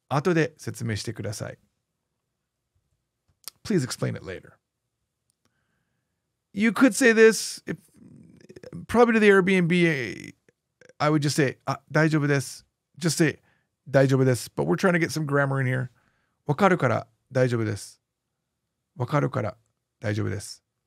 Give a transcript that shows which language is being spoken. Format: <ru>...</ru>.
<ja>後で説明してください。後で説明してください。</ja> <en>Please explain it later. You could say this, if, probably to the Airbnb, I would just say,</en> <ja>大丈夫です。</ja> <en>Just say,</en> <ja>大丈夫です。</ja> <en>But we're trying to get some grammar in here.</en> <ja>分かるから大丈夫です。分かるから大丈夫です。</ja>